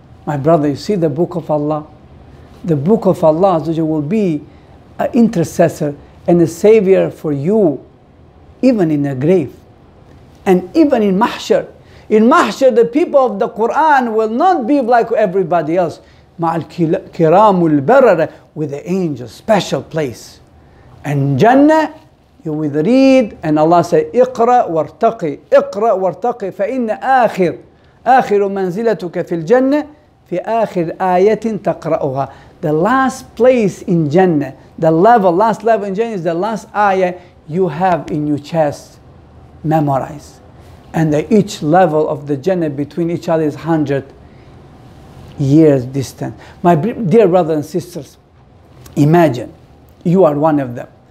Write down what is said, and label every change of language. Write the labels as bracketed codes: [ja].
[en] My brother, you see the book of Allah? The book of Allah will be an intercessor and a savior for you, even in a grave and even in mahshar. In mahshar, the people of the Quran will not be like everybody else. [ar] مَعَ الْكِرَامُ الْبَرَرَةِ, [en] with the angel, special place. And Jannah, you will read, and Allah said, [ar] اِقْرَ وَارْتَقِي, اِقْرَ وَارْتَقِي, فَإِنَّ آخِرُ آخِرُ مَنْزِلَتُكَ فِي الْجَنَّةِ فِي آخِرْ آيَةٍ تَقْرَأُهَا. [en] The last place in Jannah, the level, last level in Jannah is the last ayah you have in your chest memorized. And the, each level of the Jannah between each other is 100 years distant. My dear brothers and sisters, imagine you are one of them.